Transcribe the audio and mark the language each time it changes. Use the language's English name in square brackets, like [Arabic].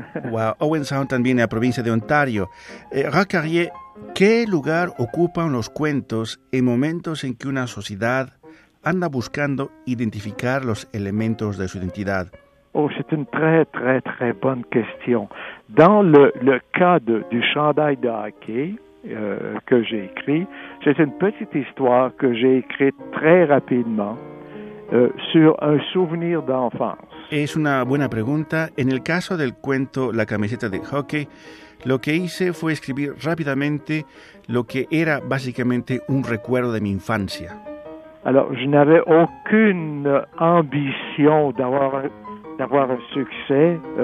[Spanish] Wow, Owen Sound también en la provincia de Ontario. Roque Carrier, ¿qué lugar ocupan los cuentos en momentos en que una sociedad anda buscando identificar los elementos de su identidad? [French] Oh, c'est une très, très, très bonne question. Dans le cas du chandail de hockey que j'ai écrit, c'est une petite histoire que j'ai écrite très rapidement sur un souvenir d'enfance. [Spanish] Es una buena pregunta. En el caso del cuento La camiseta de hockey, lo que hice fue escribir rápidamente lo que era básicamente un recuerdo de mi infancia. [French] Alors, je n'avais aucune ambition d'avoir un succès.